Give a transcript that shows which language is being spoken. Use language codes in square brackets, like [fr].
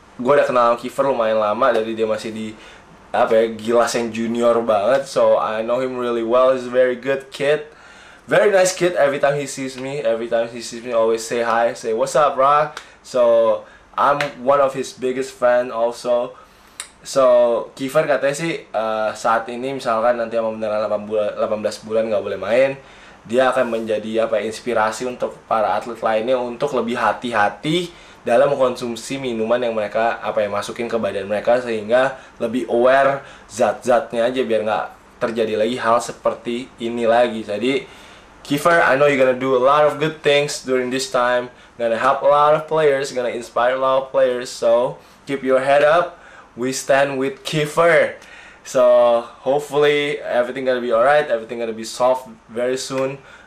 [id] Gue udah kenal Kiefer lumayan lama dari dia masih di Gilas yang junior banget, [en] so I know him really well. He's a very good kid, very nice kid. Every time he sees me, always say hi, say what's up, bro. So I'm one of his biggest fan also. [id] So Kiefer katanya sih saat ini misalkan nanti emang beneran 18 bulan nggak boleh main, dia akan menjadi inspirasi untuk para atlet lainnya untuk lebih hati-hati dalam mengkonsumsi minuman yang mereka masukin ke badan mereka, sehingga lebih aware zat-zatnya aja biar nggak terjadi lagi hal seperti ini lagi. [en] Jadi Kiefer, I know you're gonna do a lot of good things during this time, gonna help a lot of players, gonna inspire a lot of players, so keep your head up, we stand with Kiefer. So hopefully everything gonna be alright, everything gonna be solved very soon.